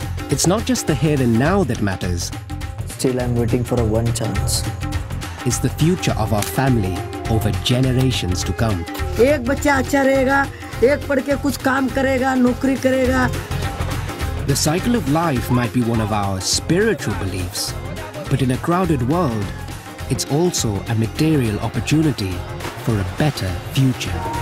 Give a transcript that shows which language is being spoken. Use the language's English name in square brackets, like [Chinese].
[English] It's not just the here and now that matters. Still, I'm waiting for a one chance. It's the future of our family over generations to come. [Hindi] एक बच्चा अच्छा रहेगा, एक पढ़ के कुछ काम करेगा, नौकरी करेगा. [English] The cycle of life might be one of our spiritual beliefs, but in a crowded world, it's also a material opportunity for a better future.